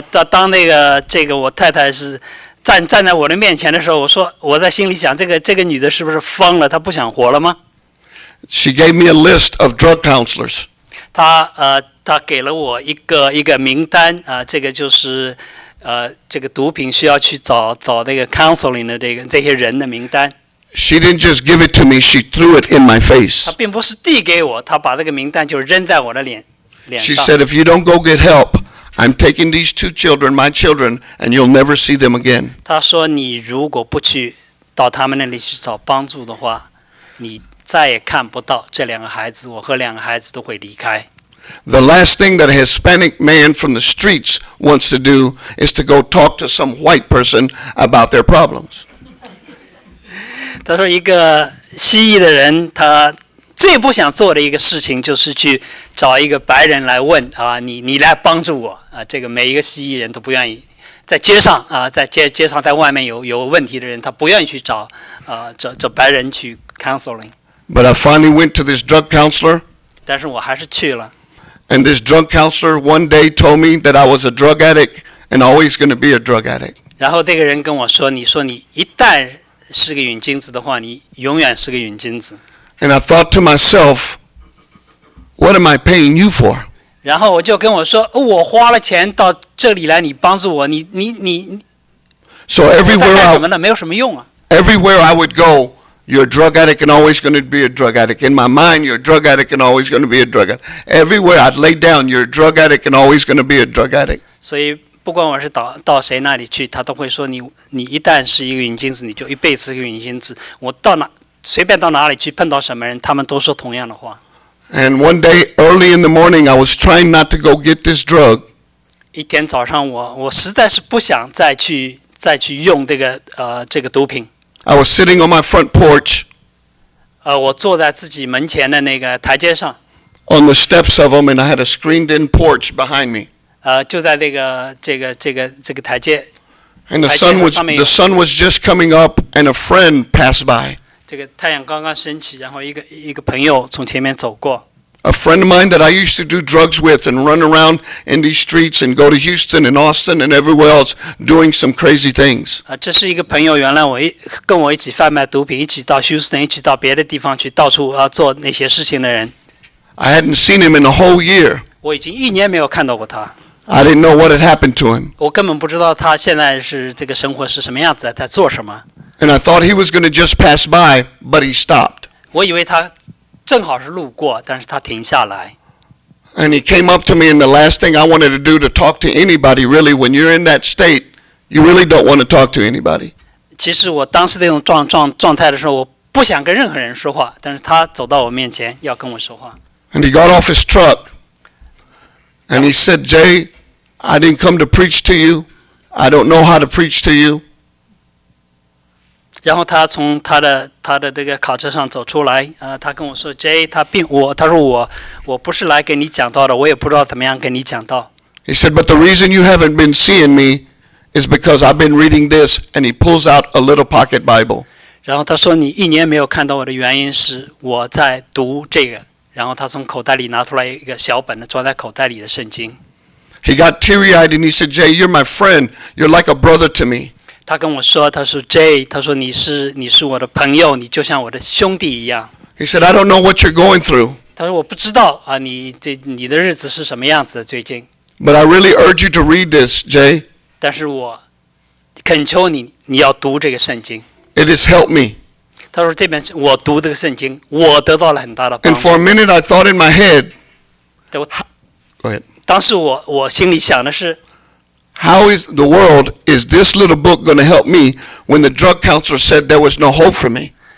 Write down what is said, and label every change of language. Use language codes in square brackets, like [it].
[zh] 当我太太站在我的面前的时候，我在心里想，这个女的是不是疯了？她不想活了吗？ [en] She gave me a list of drug counselors. [zh] 她给了我一个名单，这个就是这个毒品需要去找那个 counseling 的这些人的名单。 [en] She didn't just give it to me, she threw it in my face. [zh] 她并不是递给我，她把这个名单就扔在我的脸上。 [en] She said, if you don't go get help, I'm taking these two children, my children, and you'll never see them again. [zh] 她说你如果不去到他们那里去找帮助的话，你再也看不到这两个孩子，我和两个孩子都会离开。 [en] The last thing that a Hispanic man from the streets wants to do is to go talk to some white person about their problems. [zh] 他说一个西裔的人，他最不想做的一个事情就是去找一个白人来问啊，你来帮助我啊。这个每一个西裔人都不愿意在街上啊，在街上在外面有问题的人，他不愿意去找啊，找白人去 counseling. [en] But I finally went to this drug counselor. [zh] 但是我还是去了。 [en] And this drug counselor one day told me that I was a drug addict and always going to be a drug addict. [zh] 然后这个人跟我说，你说你一旦是个瘾君子的话，你永远是个瘾君子。 [en] And I thought to myself, what am I paying you for? [zh] 然后我就跟我说，我花了钱到这里来，你帮助我，你。 [en] So everywhere I went, [zh] 没有什么用啊。 [en] Everywhere I would go, you're a drug addict and always going to be a drug addict. In my mind, you're a drug addict and always going to be a drug addict. Everywhere I'd lay down, you're a drug addict and always going to be a drug addict. [zh] 所以不管我是到谁那里去，他都会说你一旦是一个瘾君子，你就一辈子是一个瘾君子。我到哪随便到哪里去碰到什么人，他们都说同样的话。 [en] And one day early in the morning, I was trying not to go get this drug. [zh] 一天早上我实在是不想再去用这个毒品。 [en] I was sitting on my front porch. [zh] 我坐在自己门前的那个台阶上。 [en] On the steps of them, and I had a screened-in porch behind me. [zh] 就在这个台阶。 [en] And the sun was just coming up, and a friend passed by. [zh] 这个太阳刚刚升起，然后一个朋友从前面走过。 [en] A friend of mine that I used to do drugs with and run around in these streets and go to Houston and Austin and everywhere else doing some crazy things. [zh] 这是一个朋友，原来跟我一起贩卖毒品，一起到 Houston， 一起到别的地方去，到处做那些事情的人。 [en] I hadn't seen him in a whole year. [zh] 我已经一年没有看到过他。 [en] I didn't know what had happened to him. [zh] 我根本不知道他现在是这个生活是什么样子，在做什么。 [en] And I thought he was going to just pass by, but he stopped. [zh] 我以为他正好是路过，但是他停下来。 [en] And he came up to me, and the last thing I wanted to do to talk to anybody, really, when you're in that state, you really don't want to talk to anybody. [zh] 其实我当时那种状态的时候，我不想跟任何人说话，但是他走到我面前要跟我说话。 [en] And he got off his truck, and he said, Jay, I didn't come to preach to you. I don't know how to preach to you. [zh] 然后他从他的这个卡车上走出来，他跟我说 ，Jay， 他说我不是来给你讲道的，我也不知道怎么样跟你讲道。 [en] He said, but the reason you haven't been seeing me is because I've been reading this, and he pulls out a little pocket Bible. [zh] 然后他说你一年没有看到我的原因是我在读这个，然后他从口袋里拿出来一个小本的装在口袋里的圣经。 [en] He got teary-eyed and he said, Jay, you're my friend, you're like a brother to me. [zh] 他跟我说，他说 Jay， 他说你是我的朋友，你就像我的兄弟一样。 [en] He said, I don't know what you're going through. [zh] 他说我不知道啊，你的日子是什么样子的最近。 [en] But I really urge you to read this, Jay. [zh] 但是我恳求你要读这个圣经。 [en] It has helped me. [zh] 他说这边我读这个圣经，我得到了很大的帮助。 [en] And for a minute, I thought in my head. Go ahead. [zh] 当时我心里想的是。 [en] How is the world? Is this little book going to help me when the drug counselor said there was no hope for me?